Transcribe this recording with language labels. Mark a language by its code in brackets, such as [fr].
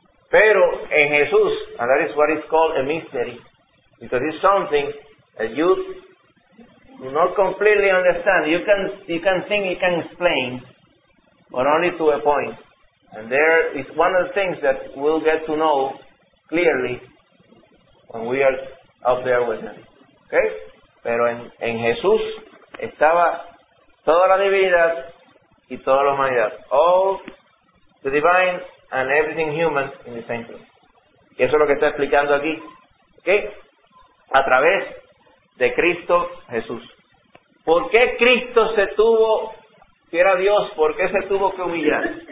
[es] Pero en Jesús, [en] and that is what is called a mystery, because it's something that you do not completely understand. You can think, you can explain, but only to a point. And there is one of the things that we'll get to know clearly when we are up there with him. Okay? [es] Pero en Jesús estaba toda la divinidad y toda la humanidad. [en] All the divine and everything human in the same place. [es] Y eso es lo que está explicando aquí. ¿Okay? A través de Cristo Jesús. ¿Por qué Cristo se tuvo, que era Dios, por qué se tuvo que humillar?